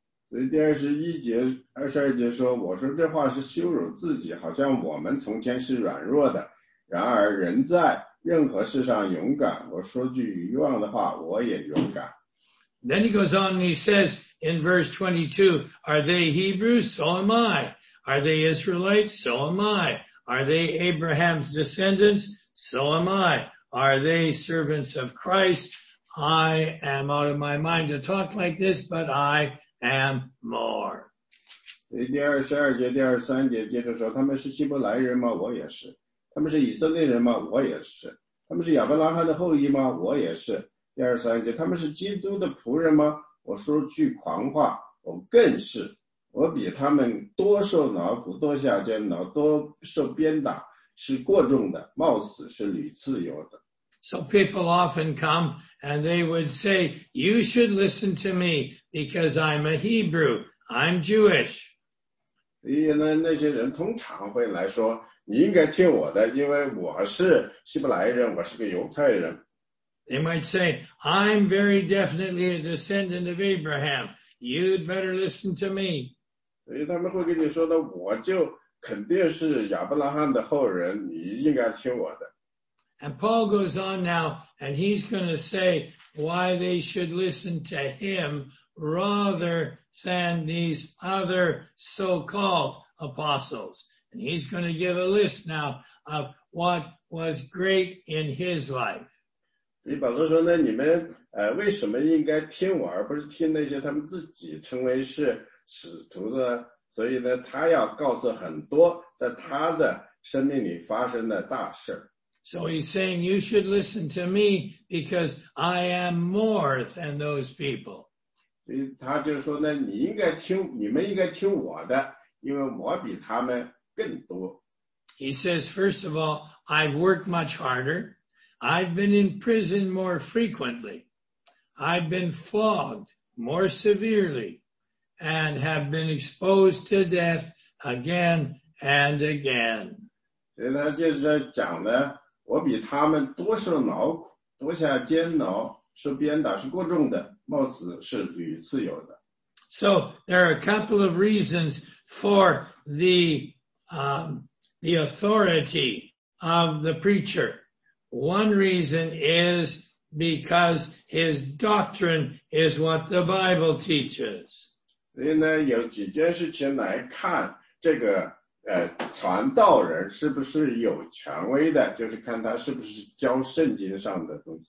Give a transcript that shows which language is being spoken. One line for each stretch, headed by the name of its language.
Chinese: 所以第二十一节、二十二节说，我说这话是羞辱自己，好像我们从前是软弱的。然而人在任何事上勇敢，我说句愚妄的话，我也勇敢。
English: Then he goes on and he says in verse 22, Are they Hebrews? So am I. Are they Israelites? So am I. Are they Abraham's descendants? So am I. Are they servants of Christ? I am out of my mind to talk like this, but I... And more.
Chinese: 第二十二节、第二十三节接着说，他们是希伯来人吗？我也是。他们是以色列人吗？我也是。他们是亚伯拉罕的后裔吗？我也是。第二十三节，他们是基督的仆人吗？我说句狂话，我更是。我比他们多受劳苦，多下监牢，多受鞭打，是过重的，冒死是屡次有的。
English: So people often come and they would say, you should listen to me because I'm a Hebrew, I'm Jewish.
Chinese: 所以呢，那些人通常会来说，你应该听我的，因为我是希伯来人，我是个犹太人。
English: They might say, I'm very definitely a descendant of Abraham, you'd better listen to me.
Chinese: 所以他们会跟你说的，我就肯定是亚伯拉罕的后人，你应该听我的。
English: And Paul goes on now, and he's going to say why they should listen to him rather than these other so-called apostles. And he's going to give a list now of what was great in his life.
Chinese: 所以保罗说呢，你们为什么应该听我，而不是听那些他们自己称为是使徒的？所以呢，他要告诉很多在他的生命里发生的大事。
English: So he's saying, you should listen to me because I am more than those people.
Chinese: 他就说呢，你们应该听我的，因为我比他们更多。
English: He says, first of all, I've worked much harder. I've been in prison more frequently. I've been flogged more severely and have been exposed to death again and again.
Chinese: 所以他就是讲呢，我比他们多受劳苦，多下监牢，受鞭打是过重的，冒死是屡次有的。
English: So there are a couple of reasons for the authority of the preacher. One reason is because his doctrine is what the Bible teaches.
Chinese: 所以呢，有几件事情来看这个。传道人是不是有权威的，就是看他是不是教圣经上的东西。